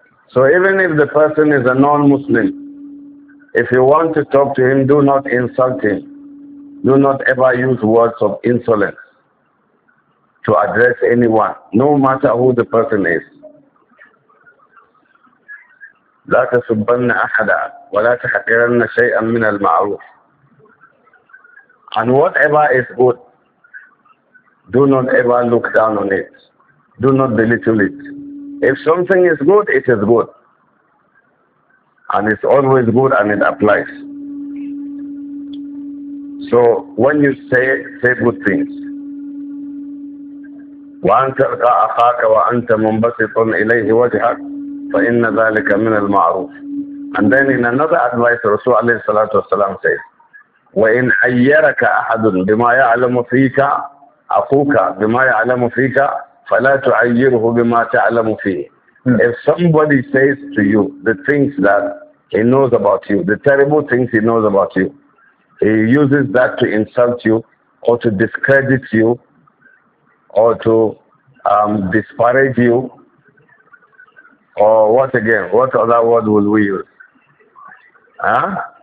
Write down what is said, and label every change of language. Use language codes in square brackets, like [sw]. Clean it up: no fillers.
[en] So even if the person is a non-Muslim, if you want to talk to him, do not insult him. Do not ever use words of insolence to address anyone, no matter who the person is. [ar] لا تسبن أحدا ولا تحقرن شيئا من المعروف. [en] And whatever is good, do not ever look down on it. Do not belittle it. If something is good, it is good. And it's always good and it applies. So when you say good things. [ar] وَأَنْتَ أَرْقَى أَخَاكَ وَأَنْتَ مُنْبَسِطٌ إِلَيْهِ وَجْهَكَ فَإِنَّ ذَلِكَ مِنَ الْمَعْرُوفِ. [en] And then in another advice, Rasul alayhi salatu wasalam says, [ar] وإن عيرك أحد بما يعلم فيك أخوك بما يعلم فيك فلا تعيره بما تعلم فيه. [en] If somebody says to you the things that he knows about you, the terrible things he knows about you, he uses that to insult you or to discredit you or to disparage you, or what again, what other word would we use? Huh?